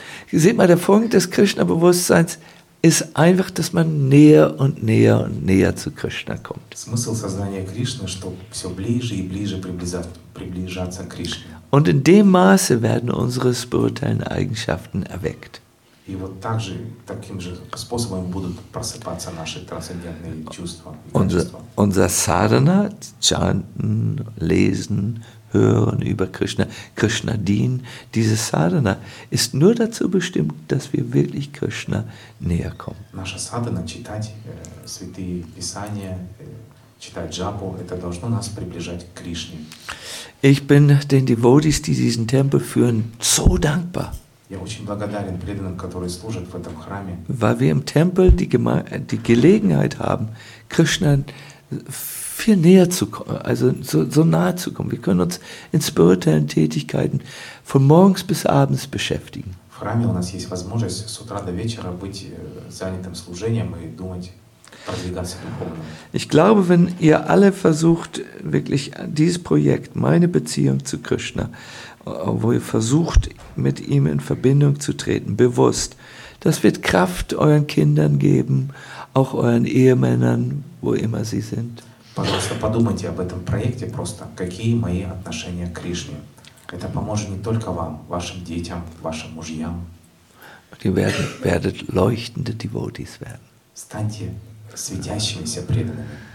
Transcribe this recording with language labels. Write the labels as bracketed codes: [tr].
[de] Seht mal, der Punkt des Krishna-Bewusstseins ist einfach, dass man näher und näher und näher zu Krishna kommt. [ru] Смысл сознания Кришны, что все ближе и ближе приближаться к Кришне. [de] Und in dem Maße werden unsere spirituellen Eigenschaften erweckt. [ru] И вот также таким же способом будут просыпаться наши трансцендентные чувства. [de] Unser Sadhana, chanten, lesen, hören über Krishna, Krishna dienen. Diese Sadhana ist nur dazu bestimmt, dass wir wirklich Krishna näher kommen. [ru] Наша Sadhana, читать святые писания, читать Джапу, это должно нас приближать к Кришне. [de] Ich bin den Devotees, die diesen Tempel führen, so dankbar. [ru] Я очень благодарен преданным, которые служат в этом храме. [de] Weil wir im Tempel die Gelegenheit haben, Krishna viel näher zu kommen, also so nahe zu kommen. Wir können uns in spirituellen Tätigkeiten von morgens bis abends beschäftigen. [ru] В храме у нас есть возможность с утра до вечера быть занятым служением и думать, продвигаться духовно. [de] Ich glaube, wenn ihr alle versucht, wirklich dieses Projekt, meine Beziehung zu Krishna, wo ihr versucht, mit ihm in Verbindung zu treten, bewusst, das wird Kraft euren Kindern geben, auch euren Ehemännern, wo immer sie sind. [ru] Пожалуйста, подумайте об этом проекте просто. Какие мои отношения к Кришне? Это поможет не только вам, вашим детям, вашим мужьям. [de] Ihr werdet leuchtende Devotees werden. [ru] Станьте светящимися преданными.